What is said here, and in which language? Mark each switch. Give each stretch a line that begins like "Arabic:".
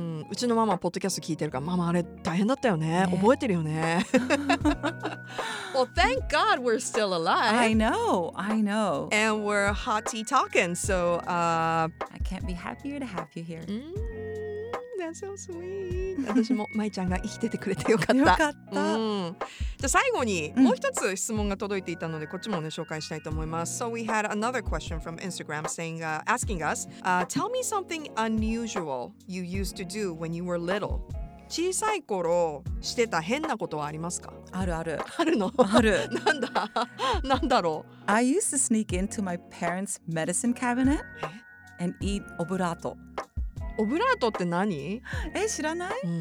Japanese: うちのママポッドキャスト聞いてるから、ママあれ大変だったよね。 Yeah. 覚えてるよね。
English: Well, thank God we're still alive. I know. And we're hot tea talking, so... I can't be happier to have you here. That's so sweet.
Japanese: 私もマイちゃんが生きててくれてよかった。よかった。じゃ最後にもう一つ質問が届いていたのでこっちもね紹介したいと思います。
English: So we had another question from Instagram saying, asking us, tell me something unusual you used to do when you were little.
Japanese: 小さい頃してた変なことはありますか？あるある。あるの？ある。なんだ？なんだろう？
English: I used to sneak into my parents' medicine cabinet and eat オブラート。
Japanese: オブラートって何？え、知らない？